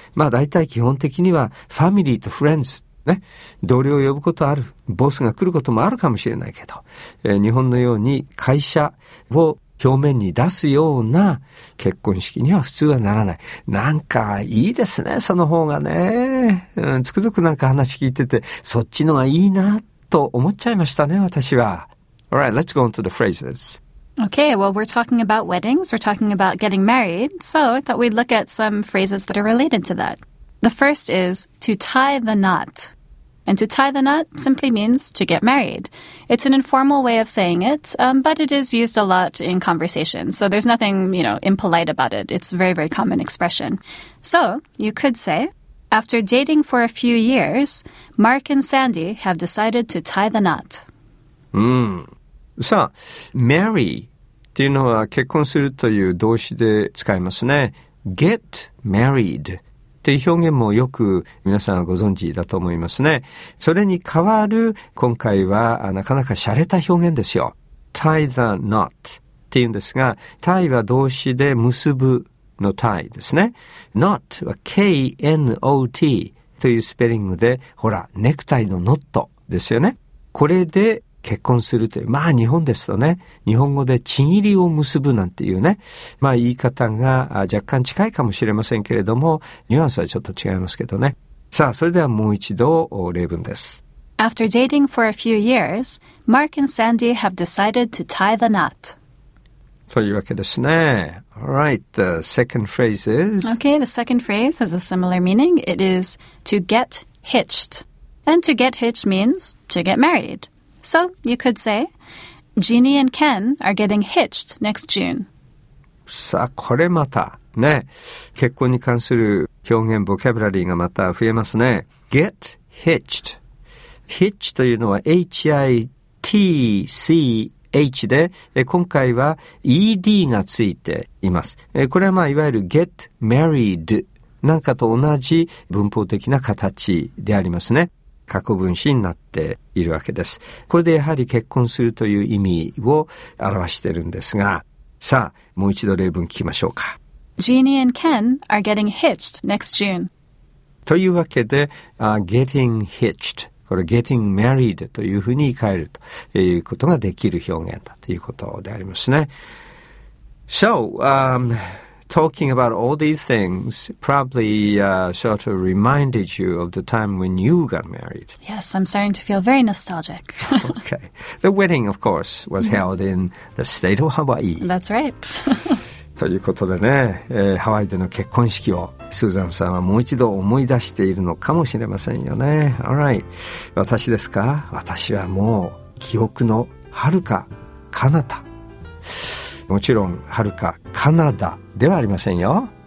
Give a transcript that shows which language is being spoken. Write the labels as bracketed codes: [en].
[ja] 大体基本的にはファミリーとフレンズ、ね、同僚を呼ぶことある、ボスが来ることもあるかもしれないけど、日本のように会社を表面に出すような結婚式には普通はならない。なんかいいですね、その方がね、つくづくなんか話聞いてて、そっちのがいいなと思っちゃいましたね、私は。 [en] Alright, let's go on to the phrases. Okay, well, we're talking about weddings, we're talking about getting married, so I thought we'd look at some phrases that are related to that. The first is to tie the knot. And to tie the knot simply means to get married. It's an informal way of saying it, but it is used a lot in conversation, so there's nothing, you know, impolite about it. It's a very, very common expression. So, you could say, after dating for a few years, Mark and Sandy have decided to tie the knot. [ja] さあ、marry っていうのは結婚するという動詞で使いますね。 get married っていう表現もよく皆さんはご存知だと思いますね。それに代わる今回はなかなか洒落た表現ですよ。 tie the knot っていうんですが、tie は動詞で結ぶの tie ですね。 knot は K-N-O-T というスペリングで、ほら、ネクタイのノットですよね。これで結婚するという。日本ですとね、日本語でちぎりを結ぶなんていうね、言い方が若干近いかもしれませんけれども、ニュアンスはちょっと違いますけどね。さあ、それではもう一度例文です。 [en] After dating for a few years, Mark and Sandy have decided to tie the knot. [ja] というわけですね。 [en] Alright, the second phrase is... Okay, the second phrase has a similar meaning. It is to get hitched. And to get hitched means to get married. So, you could say, Jeannie and Ken are getting hitched next June. [ja] さあ、これまたね、結婚に関する表現、ボキャブラリーがまた増えますね。 Get hitched. Hitch というのは H-I-T-C-H で、今回は ED がついています。これはいわゆる get married なんかと同じ文法的な形でありますね。過去分詞になっているわけです。これでやはり結婚するという意味を表しているんですが、さあ、もう一度例文聞きましょうか。 Jeannie and Ken are getting hitched next June. というわけで、getting hitched。これ、getting married というふうに言い換えるということができる表現だということでありますね。 [en] So, talking about all these things probably sort of reminded you of the time when you got married. Yes, I'm starting to feel very nostalgic. Okay. The wedding, of course, was held in the state of Hawaii. That's right. [ja] ということでね、ハワイでの結婚式をスーザンさんはもう一度思い出しているのかもしれませんよね。 Alright. 私ですか？私はもう記憶の遥か彼方、もちろん遥かカナダではありませんよ。